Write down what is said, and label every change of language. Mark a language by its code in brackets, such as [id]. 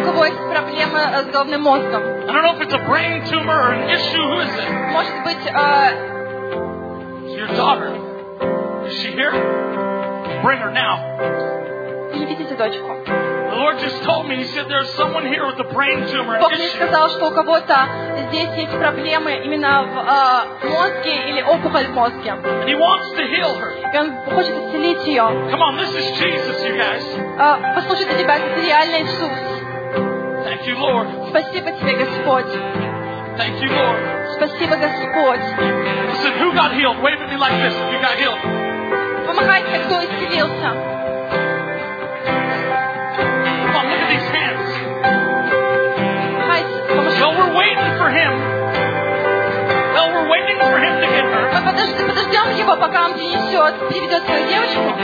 [ru] У кого есть проблемы с головным мозгом? [en] I don't know if it's a brain tumor or an issue. Who is it? [ru] Может быть, [en] your daughter. Is she here? Bring her now. The Lord just told me, he said, there's someone here with a brain tumor. [ru] Бог мне сказал, что у кого-то здесь есть проблемы именно в мозге или опухоль в мозге. [en] And he wants to heal her. [ru] И он хочет исцелить ее. [en] Come on, this is Jesus, you guys. [ru] Послушайте, ребята, это реально Иисус. [en] Thank you, Lord. [ru] Спасибо тебе, Господь. [en] Thank you, Lord. [ru] Спасибо, Господь. [en] Listen, who got healed? Wave at me like this if you got healed. [ru] Помогайте, кто исцелился. [en] Come on, look at these hands. Well, we're waiting for him. Well, we're waiting for him to get hurt. [ru] Подождем его, пока он принесет, приведет свою девочку.